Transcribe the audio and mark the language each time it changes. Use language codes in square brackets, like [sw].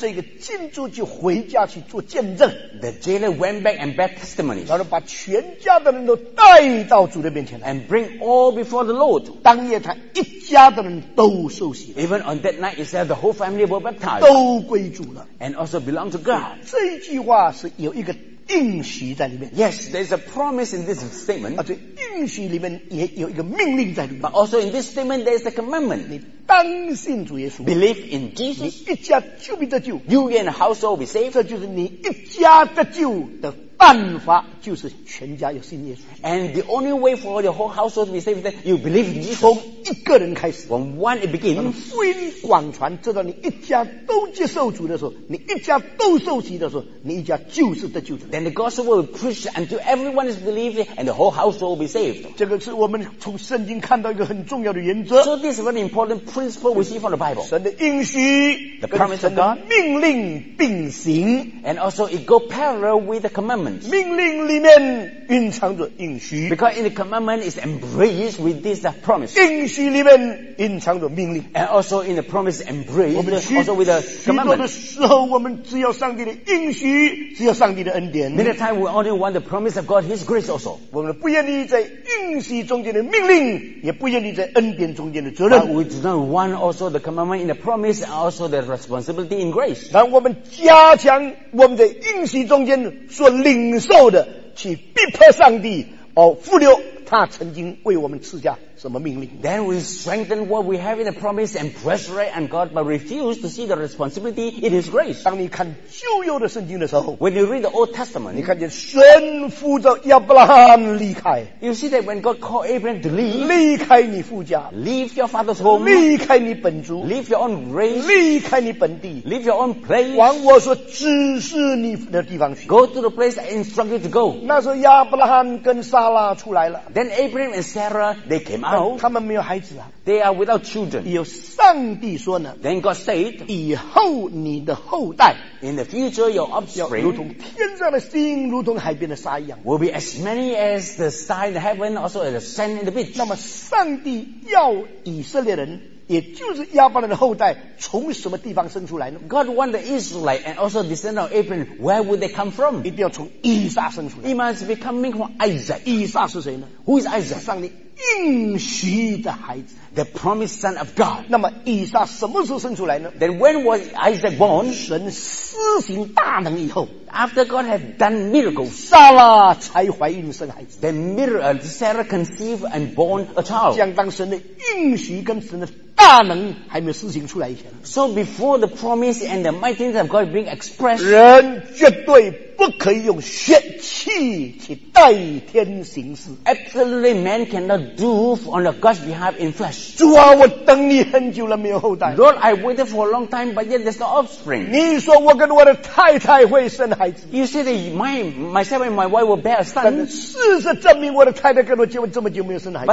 [zh] 这个禁猪就回家去做见证 [en] The jailer went back and bear testimony [zh] 然后把全家的人都带到主的面前 [en] And bring all before the Lord [zh] 当夜他一家的人都受洗 [en] Even on that night itself the whole family were baptized [zh] 都归主了 [en] And also belong to God [zh] 这句话是有一个应许在里面。 [en] Yes, there's a promise in this statement. [zh] 啊，对，应许里面也有一个命令在里面。 [en] But also in this statement, there's a commandment. [zh] 你当信主耶稣。 [en] Believe in Jesus. [zh] 你一家就必得救。 [en] You and household will be saved. [zh] 这就是你一家得救的办法，就是全家有信耶稣。 [en] And the only way for your whole household to be saved is that you believe in Jesus. [zh] 从一个人开始。 [en] From one it begins. [zh] 当福音广传，直到你一家都接受主的时候，你一家都受洗的时候，你一家就是得救的。 [en] Then the gospel will preach until everyone is believed and the whole household will be saved. [zh] 这个是我们从圣经看到一个很重要的原则。 [en] So this is an important principle we see from the Bible. [zh] 神的应许 [en] the promise of God, [zh] 跟神的命令并行。 [en] And also it go parallel with the commandment. [zh] 命令里面蕴藏着应许 [en] because in the commandment is embraced with this promise [zh] 应许里面蕴藏着命令 [en] and also in the promise embraced also with the commandment [zh] 许多的时候我们只有上帝的应许只有上帝的恩典 [en] many times we only want the promise of God His grace also [zh] 我们不愿意在应许中间的命令也不愿意在恩典中间的责任 [en] but we do not want also the commandment in the promise and also the responsibility in grace [zh] 让我们加强我们在应许中间所领受的去逼迫上帝哦复留他曾经为我们赐下什么命令 [en] then we strengthen what we have in the promise and pressure on God but refuse to see the responsibility in His grace [zh] 当你看旧约的圣经的时候 [en] when you read the Old Testament [zh] 你看见神呼召亚伯拉罕离开 [en] you see that when God called Abraham to leave [zh] 离开你父家 [en] leave your father's home [zh] 离开你本族 [en] leave your own race [zh] 离开你本地 [en] leave your own place [zh] 往我所指示你的地方去 [en] go to the place I instruct you to go [zh] 那时候亚伯拉罕跟撒拉出来了 [en] then Abraham and Sarah they came out [zh] 他们没有孩子啊 [en] They are without children [zh] 有上帝说呢 [en] Then God said [zh] 以后你的后代 [en] In the future your offspring [zh] 如同天上的星如同海边的沙一样 [en] Will be as many as the star in the heaven Also as the sand in the beach [zh] 那么上帝要以色列人也就是亚伯兰的后代从什么地方生出来呢 [en] God want the Israelite and also descendant of Abraham where would they come from [zh] 一定要从以撒生出来 [en] He must be coming from Isaac [zh] 以撒是谁呢 [en] Who is Isaac [zh] 上帝应许的孩子 [en] The promised son of God [zh] 那么以撒什么时候生出来呢 [en] Then when was Isaac born [zh] 神施行大能以后 [en] After God had done miracles [zh] 撒拉才怀孕生孩子 [en] Then Sarah conceived and born a child [zh] 将当神的应许跟神的大能还没有施行出来以前 [en] So before the promise and the mighty things of God being expressed [zh] 人绝对不可以用血气去代天行事 [en] Absolutely man cannot do on the God's behalf in flesh [zh] 主啊我等你很久了没有后代 [en] Lord I waited for a long time but yet there's no offspring [zh] 你说我跟我的太太会生孩子 [en] You say that myself and my wife will bear a son [zh] 但事实证明我的太太跟我结婚这么久没有生孩子